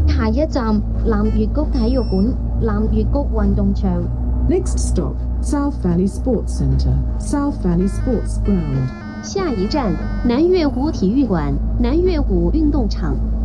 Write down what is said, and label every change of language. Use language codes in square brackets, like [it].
[zh] 一站南越谷体育馆南越谷运动场。 [en] Next stop, South Valley Sports Center, South Valley Sports Ground. [zh] 下一站南越谷体育馆南越谷运动场。